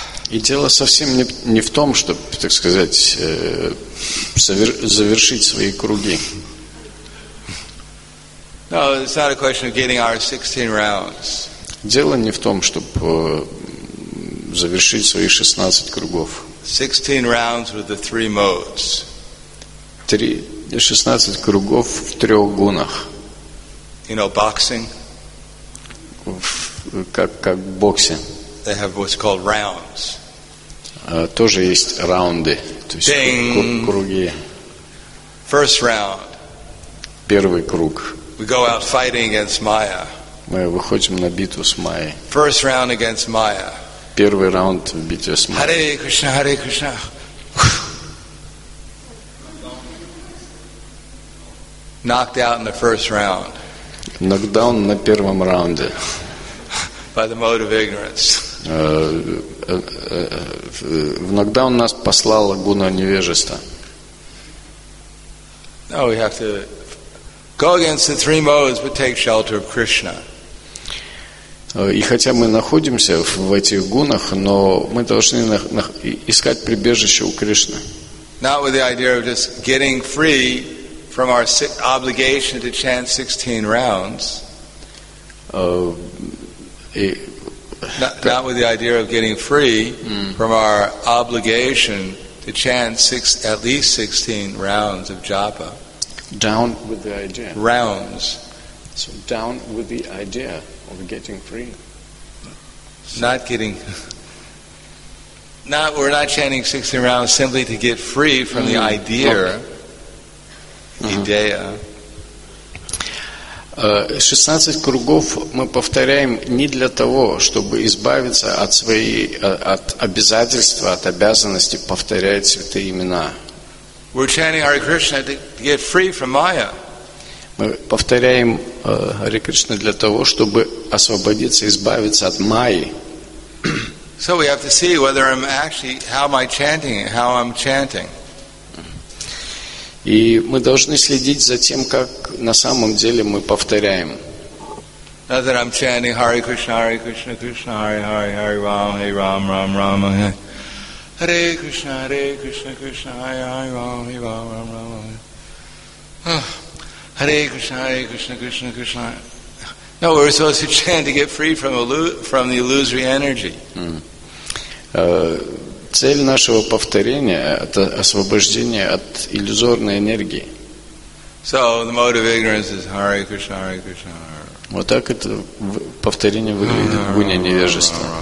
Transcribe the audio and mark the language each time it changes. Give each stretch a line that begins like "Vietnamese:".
Russian: И дело совсем не в том, чтобы, так сказать, завершить свои круги.
English: No, it's not a question of getting our 16 rounds.
Russian: Дело не в том, чтобы завершить свои 16 кругов.
English: 16 rounds with the three modes.
Russian: 16 кругов в трех гунах.
English: You know, boxing.
Russian: Как в боксе.
English: They have what's called rounds.
Russian: Тоже есть раунды, то есть круги.
English: First round.
Russian: Первый круг.
English: We go out fighting against Maya.
Russian: Мы выходим на битву с Майей.
English: First round against Maya.
Russian: Первый раунд в битве с Майей.
Sanskrit: Hare Krishna, Hare Krishna.
English: Knocked out in the first round.
Russian: Нокдаун на первом раунде.
English: By the mode of ignorance.
Russian: В нокдаун нас послала гуна невежества.
English: Now we have to go against the three modes, but take shelter of Krishna.
Russian: И хотя мы находимся в этих гунах, но мы должны искать прибежище у Кришны.
English: Not with the idea of just getting free from our obligation to chant 16 rounds. Not with the idea of getting free from our obligation to chant at least 16 rounds of japa. Down with the idea. Rounds. So down with the idea of getting free. We're not chanting 16 rounds simply to get free from the idea. Okay. Idea.
Russian: 16 кругов мы повторяем не для того, чтобы избавиться от своей, от обязательства, от обязанности повторять святые имена.
English: We're chanting Hare Krishna to get free from Maya.
Russian: Мы повторяем Hare Krishna для того, чтобы освободиться, избавиться от Майи.
English: So we have to see whether I'm actually, how am I chanting, how I'm chanting.
Russian: И мы должны следить за тем, как на самом деле мы повторяем.
English: Not that I'm chanting
Sanskrit: Hare Krishna, Hare Krishna, Krishna, Hare Hare, Hare Ram, Hare Ram, Ram Ram, Hare. Hare Krishna, Hare Krishna, Krishna, Hare Hare, Ram, Hare Ram, Ram Ram. Hare Krishna, Krishna, Krishna.
English: No, we're supposed to chant to get free from the illusory energy.
Russian: Цель нашего повторения – это освобождение от иллюзорной энергии.
English: So the mode of ignorance is
Sanskrit: Hare Krishna, Hare Krishna.
Russian: Вот так это повторение выглядит в гуне невежества.